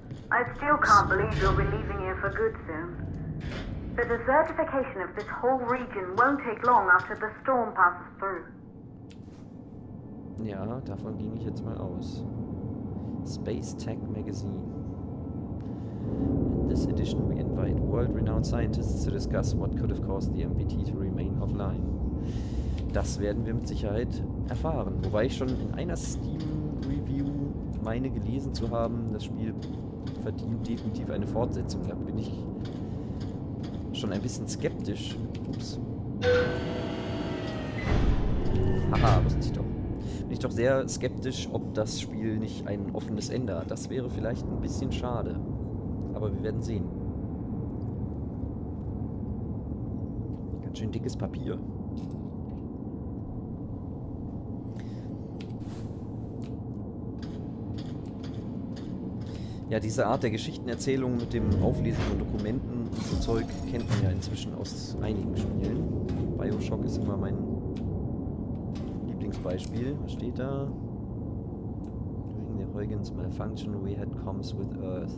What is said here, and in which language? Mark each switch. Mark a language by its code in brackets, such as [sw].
[en] I still can't believe you'll be leaving here for good soon. The desertification of this whole region won't take long after the storm passes through. [de] Ja, davon ging ich jetzt mal aus. Space Tech Magazine. [en] In this edition, we invite world-renowned scientists to discuss what could have caused the MPT to remain offline. [de] Das werden wir mit Sicherheit erfahren. Wobei ich schon in einer Steam-Review meine, gelesen zu haben, das Spiel verdient definitiv eine Fortsetzung. Da bin ich schon ein bisschen skeptisch. Ups. Haha, wusste ich doch. Bin ich doch sehr skeptisch, ob das Spiel nicht ein offenes Ende hat. Das wäre vielleicht ein bisschen schade. Aber wir werden sehen. Ganz schön dickes Papier. Ja, diese Art der Geschichtenerzählung mit dem Auflesen von Dokumenten und so Zeug kennt man ja inzwischen aus einigen Spielen. Bioshock ist immer mein Lieblingsbeispiel. Was steht da? [en] During the Huygens malfunction we had comms with Earth.